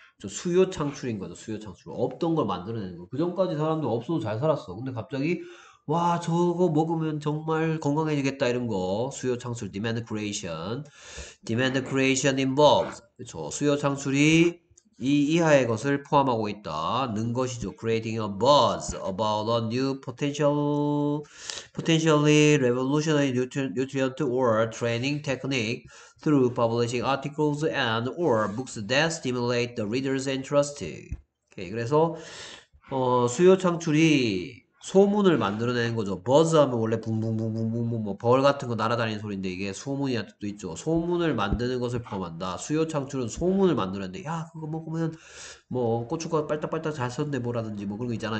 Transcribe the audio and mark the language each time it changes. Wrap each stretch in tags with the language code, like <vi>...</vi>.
<ko>저 수요 창출인 거죠. 수요 창출. 없던 걸 만들어내는 거. 그전까지 사람들 없어도 잘 살았어. 근데 갑자기 와, 저거 먹으면 정말 건강해지겠다, 이런 거. 수요 창출,</ko> <en>demand creation. demand creation involves.</en> <ko>그쵸. 수요 창출이 이 이하의 것을 포함하고 있다. 는 것이죠.</ko> <en>creating a buzz about a new potentially revolutionary nutrient or training technique through publishing articles and or books that stimulate the reader's interest.</en> <ko>오케이. 그래서, 수요 창출이 소문을 만들어내는 거죠. 버즈 하면 원래 붕붕붕붕붕붕 뭐벌 같은 거 날아다니는 소리인데 이게 소문이라는 뜻도 있죠. 소문을 만드는 것을 포함한다. 수요 창출은 소문을 만들었는데, 야, 그거 먹으면 뭐 고춧가루 빨딱빨딱 잘 썼네 뭐라든지 뭐 그런 거 있잖아.</ko>